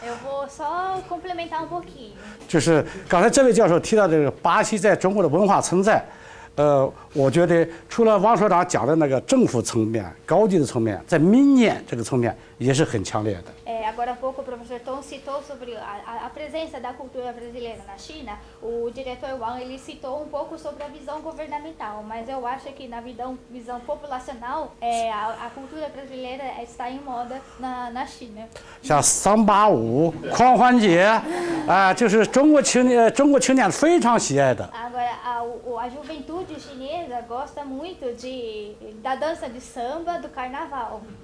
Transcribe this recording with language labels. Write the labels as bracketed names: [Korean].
[Portuguese] Eu vou só complementar um pouquinho. [Chinese] 就是刚才这位教授提到这个巴西在中国的文化存在。我觉得除了王所长讲的那个政府层面、高级的层面，在民间这个层面也是很强烈的。 [Portuguese] Agora há pouco o professor Tom citou sobre a presença da cultura brasileira na China. O diretor Wang ele citou um pouco sobre a visão governamental, mas eu acho que na visão populacional a cultura brasileira está em moda na China. [Chinese] 像三八五狂欢节，就是中国青年非常喜爱的。 [Portuguese] Agora a juventude chinesa gosta muito da dança de samba do carnaval.